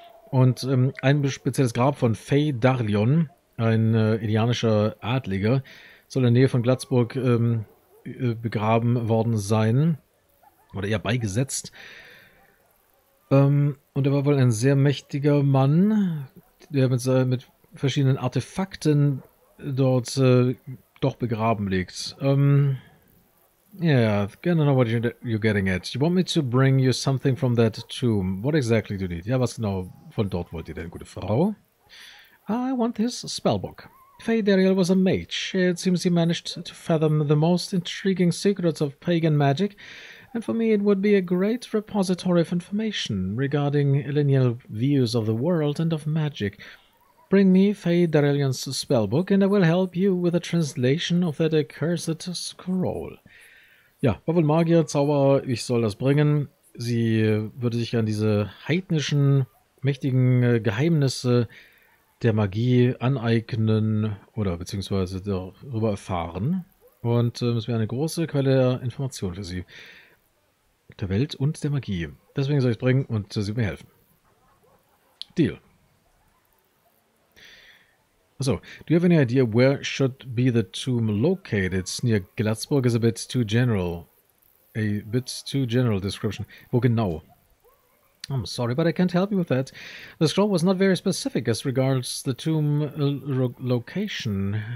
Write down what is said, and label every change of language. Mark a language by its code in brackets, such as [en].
[de] Und ein spezielles Grab von Faedarlion, ein indianischer Adliger, soll in der Nähe von Glatzburg begraben worden sein. Oder eher beigesetzt. Und er war wohl ein sehr mächtiger Mann, der mit verschiedenen Artefakten dort doch begraben liegt. [en] Yeah, gonna know what you're getting at. You want me to bring you something from that tomb? What exactly do you need? [de] Ja, was genau von dort wollt ihr denn, gute Frau? [en] I want his spellbook. Fey Dariel was a mage. It seems he managed to fathom the most intriguing secrets of pagan magic, and for me it would be a great repository of information regarding Eleniel's views of the world and of magic. Bring me Fey Darillion's spellbook and I will help you with a translation of that accursed scroll. [de] Ja, war wohl Magier, Zauberer, ich soll das bringen. Sie würde sich an diese heidnischen, mächtigen Geheimnisse der Magie aneignen oder beziehungsweise darüber erfahren. Und es wäre eine große Quelle der Informationen für sie. Der Welt und der Magie. Deswegen soll ich es bringen und sie mir helfen. [en] Deal. So, do you have any idea where should be the tomb located? Near Glatzburg is a bit too general. A bit too general description. [de] Wo genau? [en] I'm sorry, but I can't help you with that. The scroll was not very specific as regards the tomb location.